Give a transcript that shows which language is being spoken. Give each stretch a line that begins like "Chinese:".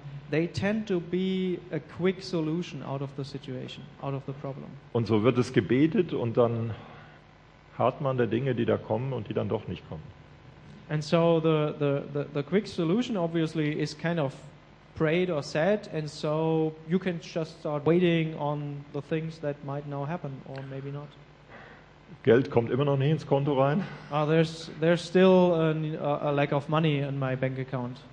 English: They tend to be a quick solution out of the situation, out of the problem.
German: Und so wird es gebetet und dann hart man der Dinge, die da kommen und die dann doch nicht kommen.
English: And so the quick solution obviously is kind of prayed or said, and so you can just start waiting on the things that might now happen or maybe not.
German: Geld kommt immer noch nicht ins Konto rein.
English: There's still a lack of money in my bank account.